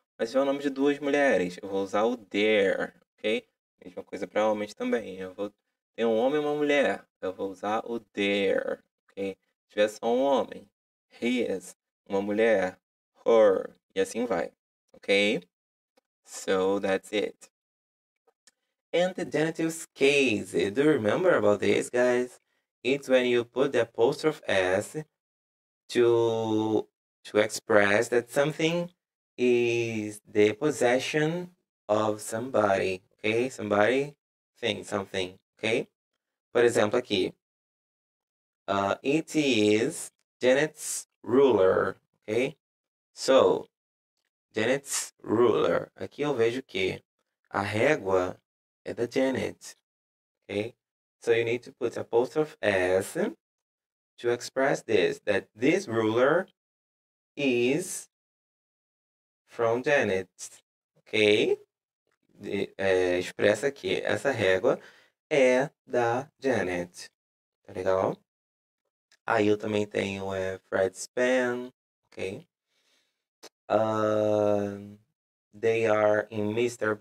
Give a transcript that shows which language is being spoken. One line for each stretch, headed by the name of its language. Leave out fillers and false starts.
Portuguese: Mas se tiver o nome de duas mulheres, eu vou usar o their, ok? Mesma coisa para homens também. Tem um homem e uma mulher, eu vou usar o their, ok? Se tiver só um homem, his, uma mulher, her, e assim vai, ok?
English: So, that's it. And the genitive case, do you remember about this, guys? It's when you put the apostrophe S to express that something is the possession of somebody, ok? Somebody, thing, something, ok?
Portuguese: Por exemplo, aqui.
English: It is Janet's ruler, ok? So, Janet's ruler.
Portuguese: Aqui eu vejo que a régua é da Janet, ok?
English: So, you need to put apostrophe S to express this, that this ruler is from Janet, ok?
Portuguese: Expressa que essa régua é da Janet, tá legal? Aí eu também tenho Fred's pen, ok?
English: They are in Mr.